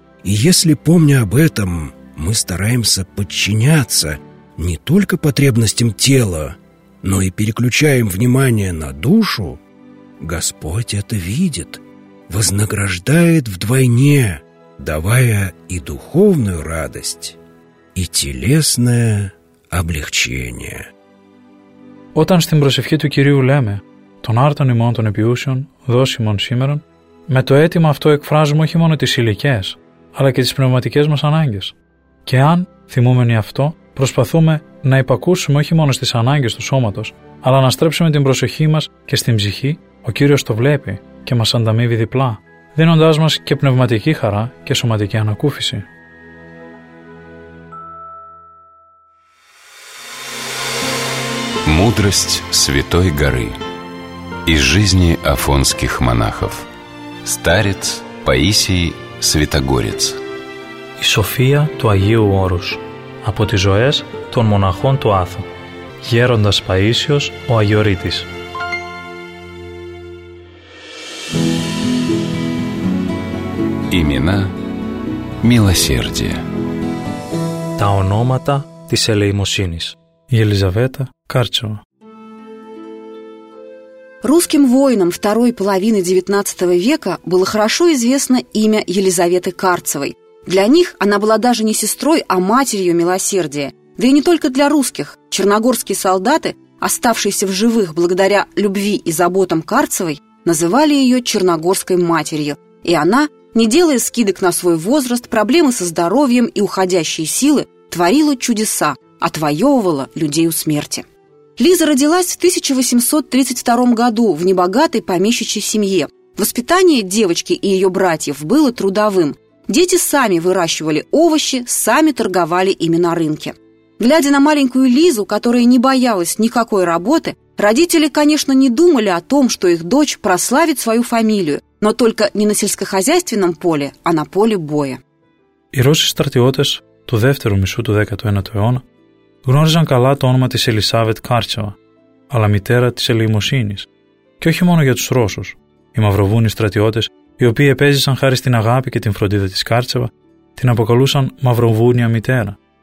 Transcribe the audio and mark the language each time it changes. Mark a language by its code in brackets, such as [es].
[ru] И если, помня об этом, мы стараемся подчиняться не только потребностям тела, но и переключаем внимание на душу, Господь это видит, вознаграждает вдвойне, давая и духовную радость, и телесное облегчение». [el] Όταν στην προσευχή του Κυρίου λέμε «Τον άρτον ημών των επιούσεων, δώσ' ημών σήμερον», με το αίτημα αυτό εκφράζουμε όχι μόνο τις υλικές, αλλά και τις πνευματικές μας ανάγκες. Και αν, θυμούμενοι αυτό, προσπαθούμε να υπακούσουμε όχι μόνο στις ανάγκες του σώματος, αλλά να στρέψουμε την προσοχή μας και στην ψυχή, ο Κύριος το βλέπει και μας ανταμείβει διπλά, δίνοντάς μας και πνευματική χαρά και σωματική ανακούφιση. [ru] Мудрость Святой Горы из жизни афонских монахов. Старец Паисий Святогорец. [el] Η Σοφία του Αγίου Όρους από τις ζωές των μοναχών του Άθου. Γέροντας Παΐσιος ο Αγιορείτης. [ru] Имена милосердия. [el] Τα ονόματα της ελεημοσύνης. [ru] Елизавета Карчева. Русским воинам второй половины XIX века было хорошо известно имя Елизаветы Карцевой, Для них она была даже не сестрой, а матерью милосердия. Да и не только для русских. Черногорские солдаты, оставшиеся в живых благодаря любви и заботам Карцевой, называли ее Черногорской матерью. И она, не делая скидок на свой возраст, проблемы со здоровьем и уходящие силы, творила чудеса, отвоевывала людей у смерти. Лиза родилась в 1832 году в небогатой помещичьей семье. Воспитание девочки и ее братьев было трудовым. Дети сами выращивали овощи, сами торговали ими на рынке. Глядя на маленькую Лизу, которая не боялась никакой работы, родители, конечно, не думали о том, что их дочь прославит свою фамилию, но только не на сельскохозяйственном поле, а на поле боя. [el] Οι Ρώσοι στρατιώτες του δεύτερου μισού του 19ου αιώνα γνώριζαν καλά το όνομα της Ελισάβετ Κάρτσεβα, αλλά μητέρα της ελεημοσύνης. Και όχι μόνο για τους Ρώσους. Οι μαυροβούνοι στρατιώτες, οι οποίοι επέζησαν χάρη στην αγάπη και την φροντίδα της Κάρτσεβα, την αποκαλούσαν μαυροβούνια μητέρα.